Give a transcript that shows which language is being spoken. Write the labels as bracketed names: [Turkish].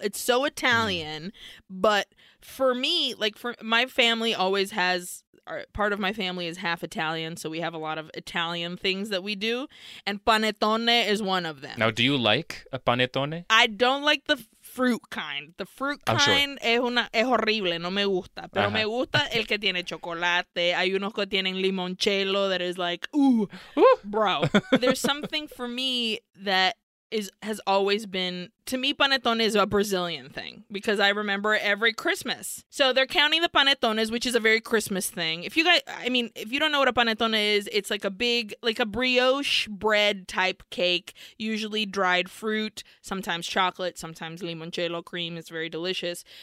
[English] It's so Italian. But for me, like, for my family always has... Part of my family is half Italian, so we have a lot of Italian things that we do, and panettone is one of them. Now, do you like a panettone? I don't like the fruit kind. The fruit kind [Spanish] es horrible, no me gusta. Pero me gusta el que tiene chocolate. Hay unos que tienen [English] limoncello that is like, ooh, bro. There's something for me that has always been, to me, panettone is a Brazilian thing because I remember every Christmas. So they're counting the panettones, which is a very Christmas thing. If you don't know what a panettone is, it's like a big, like a brioche bread type cake, usually dried fruit, sometimes chocolate, sometimes limoncello cream. It's very delicious.